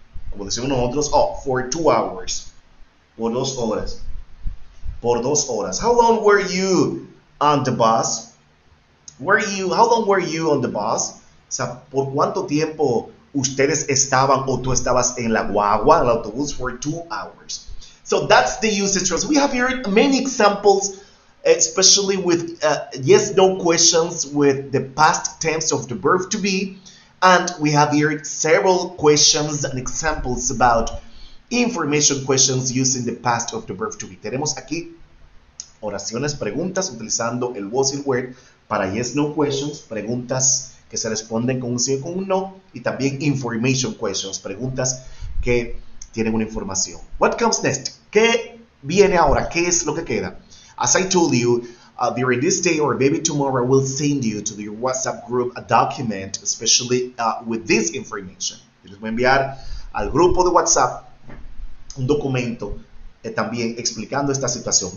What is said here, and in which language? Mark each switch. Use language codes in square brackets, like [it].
[es] Como decimos nosotros, [en] for 2 hours. [es] Por 2 horas. Por 2 horas. [en] How long were you on the bus? How long were you on the bus? [es] O sea, ¿por cuánto tiempo ustedes estaban o tú estabas en la guagua, el autobús, [en] for 2 hours. So that's the usage. We have heard many examples, especially with yes-no questions with the past tense of the verb to be. And we have here several questions and examples about information questions using the past of the verb to be. [es] Tenemos aquí oraciones, preguntas, utilizando el was y el were para yes-no questions, preguntas que se responden con un sí o con un no, y también information questions, preguntas que tienen una información. [en] What comes next? [es] ¿Qué viene ahora? ¿Qué es lo que queda? [en] As I told you, during this day or maybe tomorrow, I will send you to your WhatsApp group a document, especially with this information. [es] Yo les voy a enviar al grupo de WhatsApp un documento también explicando esta situación.